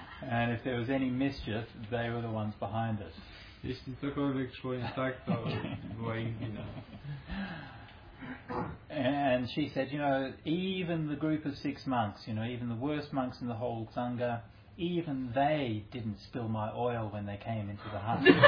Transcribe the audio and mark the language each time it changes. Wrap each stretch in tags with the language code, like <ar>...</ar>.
<en>And if there was any mischief, they were the ones behind it.</en> <pl>Jeśli cokolwiek szło nie tak, to była ich wina.</pl> <en>And she said, you know, even the group of six monks, you know, even the worst monks in the whole Sangha, even they didn't spill my oil when they came into the hut.</en>